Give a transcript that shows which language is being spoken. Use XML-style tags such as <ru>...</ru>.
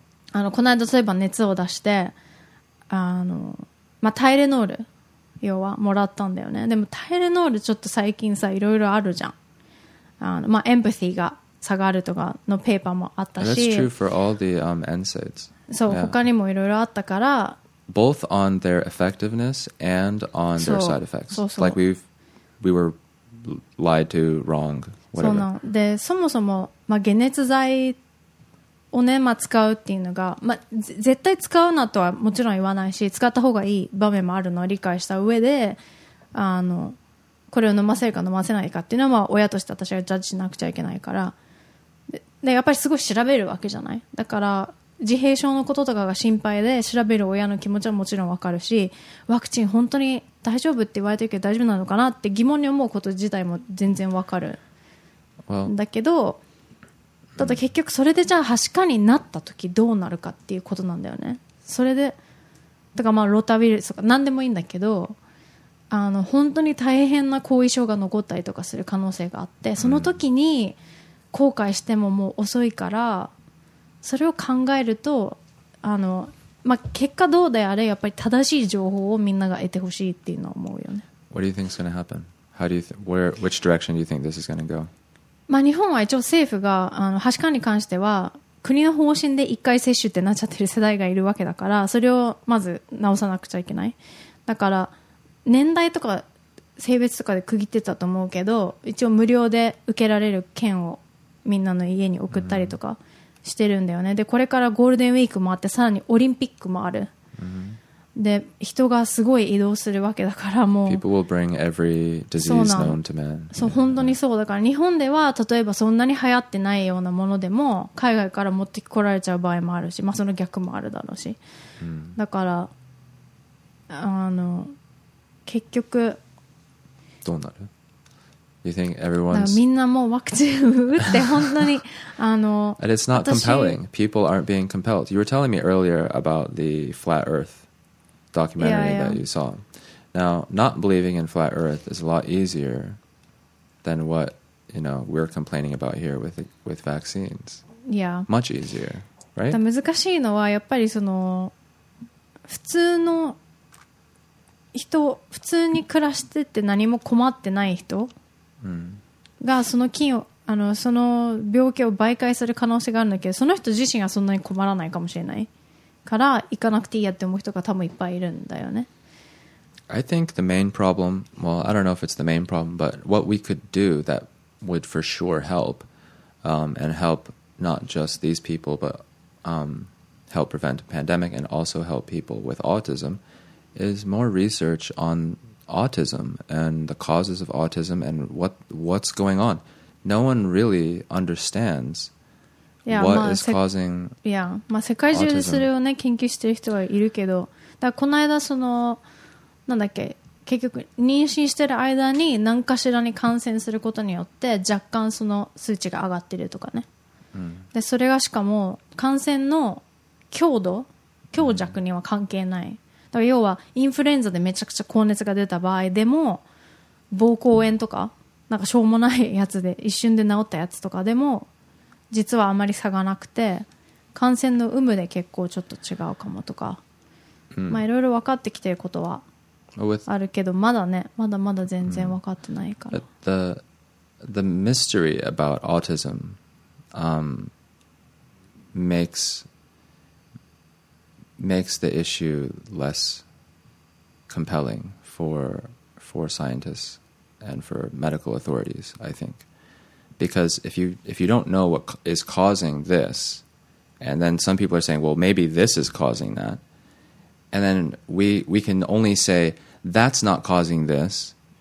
<ja>あのこの間そういえば熱を出してあの、まあ、タイレノール要はもらったんだよねでもタイレノールちょっと最近さいろいろあるじゃんあの、まあ、エンパシーが下がるとかのペーパーもあったし</ja> <en>That's true for all the, NSAIDs.</en> <ja>そう、yeah. 他にもいろいろあったから</ja> <en>Both on their effectiveness and on their side effects</en> <ja>そうそう</ja> <en>Like we were lied to, wrong, whatever.</en> <ja>そうなんで、そもそも、まあ、解熱剤をね、まあ、使うっていうのが、まあ、絶対使うなとはもちろん言わないし、使った方がいい場面もあるのを理解した上で、あの、これを飲ませるか飲ませないかっていうのは、まあ、親として私がジャッジしなくちゃいけないから、で、やっぱりすごい調べるわけじゃない？だから、自閉症のこととかが心配で調べる親の気持ちはもちろんわかるしワクチン本当に大丈夫って言われてるけど大丈夫なのかなって疑問に思うこと自体も全然わかるだけどただ結局それでじゃあはしかになった時どうなるかっていうことなんだよねそれでだからまあロタウイルスとか何でもいいんだけどあの本当に大変な後遺症が残ったりとかする可能性があってその時に後悔してももう遅いからそれを考えるとあの、まあ、結果どうであれやっぱり正しい情報をみんなが得てほしいっていうのを思うよね</ja> <en>What do you think is going to happen? How do you which direction do you think this is going to go?</en> <ja>まあ日本は一応政府がはしかに関しては国の方針で1回接種ってなっちゃってる世代がいるわけだからそれをまず直さなくちゃいけないだから年代とか性別とかで区切ってたと思うけど一応無料で受けられる券をみんなの家に送ったりとか、mm-hmm. してるんだよね。で、これからゴールデンウィークもあって、さらにオリンピックもある。で、人がすごい移動するわけだから、もう。</ja> <en>People will bring every disease known to man. Yeah.</en> <ja>そう、本当にそうだから、日本では例えばそんなに流行ってないようなものでも海外から持ってこられちゃう場合もあるし、まあその逆もあるだろうし。だから、あの、結局。どうなる？</ja> <en>Do you think everyone's...</en> <ja>みんなもうワクチン打って本当に</ja> <en>And it's not compelling. People aren't being compelled. You were telling me earlier about the Flat Earth documentary yeah, yeah. that you saw. Now, not believing in Flat Earth is a lot easier than what, you know, we're complaining about here with vaccines. Yeah. Much easier, right?</en> <ja>難しいのはやっぱりその普通の人、普通に暮らしてて何も困ってない人がその菌を、その病気を媒介する可能性があるんだけど、その人自身がそんなに困らないかもしれないから行かなくていいやって思う人が多分いっぱいいるんだよね。</ja> <en>I think the main problem, well, I don't know if it's the main problem, but what we could do that would for sure help, and help not just these people, but help prevent a pandemic and also help people with autism, is more research on autism and the causes of autism and what's going on. No one really understands what is causing autism.</en> <ja>Yeah, 世界中でそれをね研究してる人はいるけど、だこの間その。なんだっけ結局妊娠してる間に何かしらに感染することによって若干その数値が上がってるとかね、うん、でそれがしかも感染の強度強弱には関係ない、うん、だから要はインフルエンザでめちゃくちゃ高熱が出た場合でも膀胱炎とかなんかしょうもないやつで一瞬で治ったやつとかでも実はあまり差がなくて感染の有無で結構ちょっと違うかもとか、うん、まあいろいろ分かってきてることはあるけどまだねまだまだ全然分かってないから、</ja> <en>But、the mystery about autism makes the issue less compelling for scientists and for medical authorities I think because if you don't know what is causing this and then some people are saying well maybe this is causing that and then we can only sayThat's not causing this.</en>